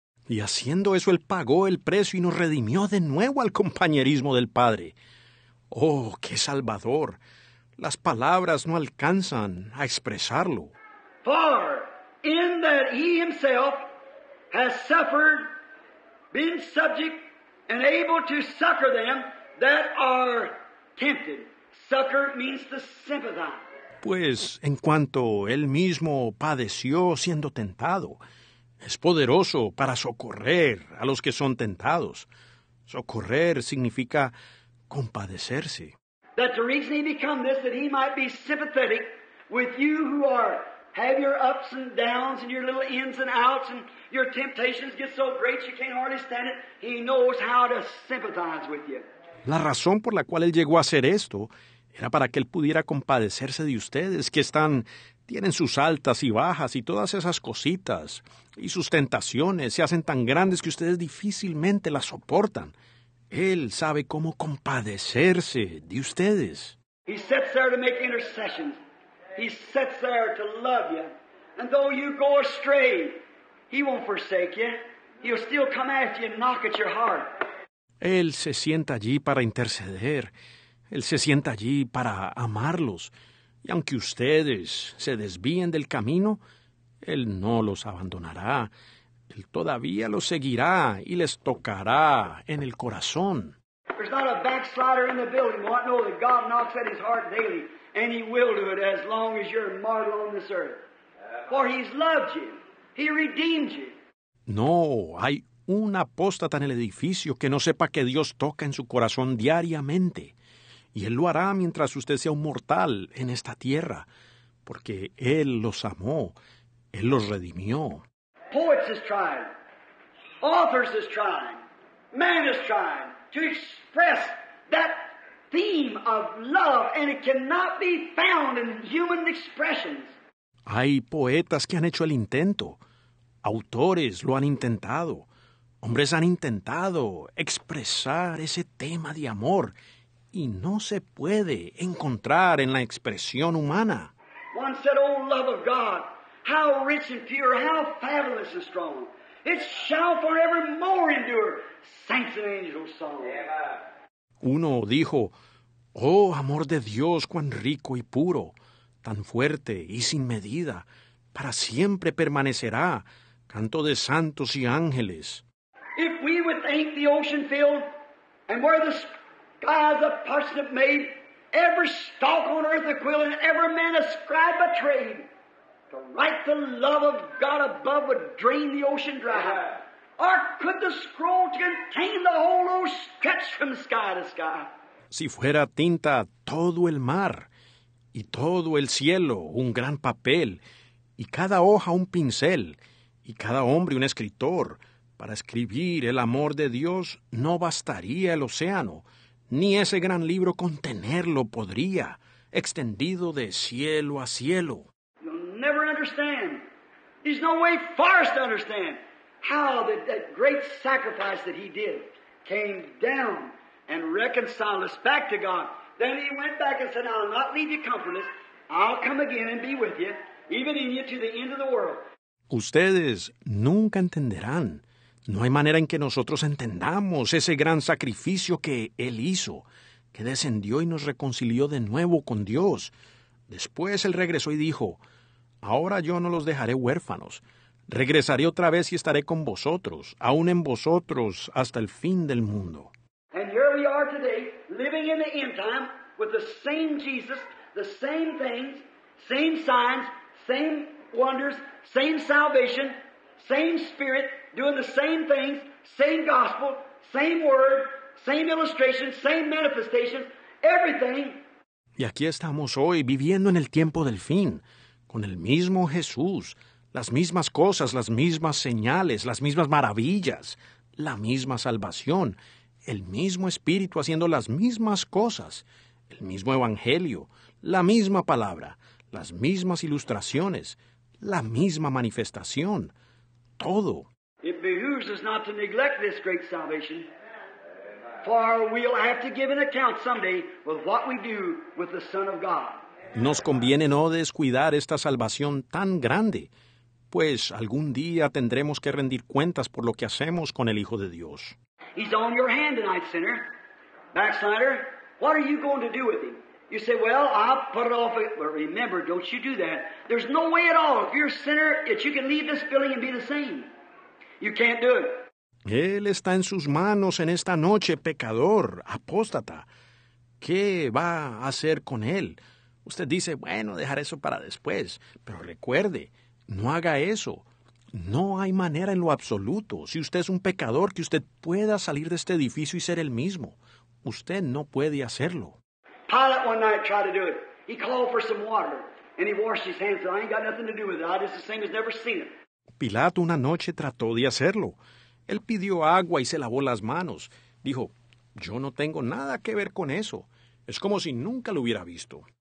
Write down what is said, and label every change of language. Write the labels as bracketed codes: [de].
[es] Y haciendo eso, Él pagó el precio y nos redimió de nuevo al compañerismo del Padre. ¡Oh, qué salvador! Las palabras no alcanzan a expresarlo. [en] For in that he himself has suffered, been subject, and able to succor them that are tempted. Succor means to sympathize. [es] Pues en cuanto Él mismo padeció siendo tentado, es poderoso para socorrer a los que son tentados. Socorrer significa compadecerse. [en] That the reason he became this, that he might be sympathetic with you who are, have your ups and downs and your little ins and outs and your temptations get so great you can't hardly stand it. He knows how to sympathize with you. [es] La razón por la cual Él llegó a hacer esto era para que Él pudiera compadecerse de ustedes que están, tienen sus altas y bajas y todas esas cositas y sus tentaciones se hacen tan grandes que ustedes difícilmente las soportan. Él sabe cómo compadecerse de ustedes. [en] He sits there to make intercessions. He sits there to love you. And though you go astray, he won't forsake you. He'll still come after you and knock at your heart. [es] Él se sienta allí para interceder. Él se sienta allí para amarlos. Y aunque ustedes se desvíen del camino, Él no los abandonará. Él todavía los seguirá y les tocará en el corazón. [en] There's not a backslider in the building. What? No, that God knocks at his heart daily, and he will do it as long as you're mortal on this earth. For he's loved you. He redeemed you. [es] No, hay un apóstata en el edificio que no sepa que Dios toca en su corazón diariamente. Y Él lo hará mientras usted sea un mortal en esta tierra, porque Él los amó, Él los redimió. [en] Poets has tried, authors has tried, man has tried to express that theme of love, and it cannot be found in human expressions. [es] Hay poetas que han hecho el intento, autores lo han intentado, hombres han intentado expresar ese tema de amor, y no se puede encontrar en la expresión humana. [en] One said, oh, love of God, how rich and pure, how fabulous and strong. It shall forevermore endure, saints and angels' song. [es] Uno dijo, oh, amor de Dios, cuán rico y puro, tan fuerte y sin medida, para siempre permanecerá, canto de santos y ángeles. [en] If we would thank the ocean field and where the God the person that made every stalk on earth a quill and every man a scribe a trade. To write the love of God above would drain the ocean dry. Or could the scroll contain the whole ocean stretch from sky to sky? [es] Si fuera tinta todo el mar y todo el cielo un gran papel y cada hoja un pincel y cada hombre un escritor para escribir el amor de Dios no bastaría el océano. Ni ese gran libro contenerlo podría, extendido de cielo a cielo. [en] You'll never understand. There's no way for us to understand how that great sacrifice that he did came down and reconciled us back to God. Then he went back and said, I'll not leave you comfortless. I'll come again and be with you, even in you to the end of the world. [es] Ustedes nunca entenderán. No hay manera en que nosotros entendamos ese gran sacrificio que Él hizo, que descendió y nos reconcilió de nuevo con Dios. Después Él regresó y dijo, ahora yo no los dejaré huérfanos. Regresaré otra vez y estaré con vosotros, aún en vosotros, hasta el fin del mundo. [en] And here we are today, living in the end time, with the same Jesus, the same things, same signs, same wonders, same salvation, same spirit, doing the same things, same gospel, same word, same illustration, same manifestation, everything. [es] Y aquí estamos hoy viviendo en el tiempo del fin, con el mismo Jesús, las mismas cosas, las mismas señales, las mismas maravillas, la misma salvación, el mismo Espíritu haciendo las mismas cosas, el mismo Evangelio, la misma palabra, las mismas ilustraciones, la misma manifestación, todo. [en] It behooves us not to neglect this great salvation, for we'll have to give an account someday of what we do with the Son of God. [es] Nos conviene no descuidar esta salvación tan grande, pues algún día tendremos que rendir cuentas por lo que hacemos con el Hijo de Dios. [en] He's on your hand tonight, sinner. Backslider, what are you going to do with him? You say, well, I'll put it off. Well, remember, don't you do that. There's no way at all, if you're a sinner, that you can leave this building and be the same. You can't do it. [es] Él está en sus manos en esta noche, pecador, apóstata. ¿Qué va a hacer con él? Usted dice, bueno, dejar eso para después. Pero recuerde, no haga eso. No hay manera en lo absoluto. Si usted es un pecador, que usted pueda salir de este edificio y ser el mismo. Usted no puede hacerlo. [en] Pilate one night tried to do it. He called for some water and he washed his hands. And I ain't got nothing to do with it. I just the same as never seen it. [es] Pilato una noche trató de hacerlo. Él pidió agua y se lavó las manos. Dijo, yo no tengo nada que ver con eso. Es como si nunca lo hubiera visto.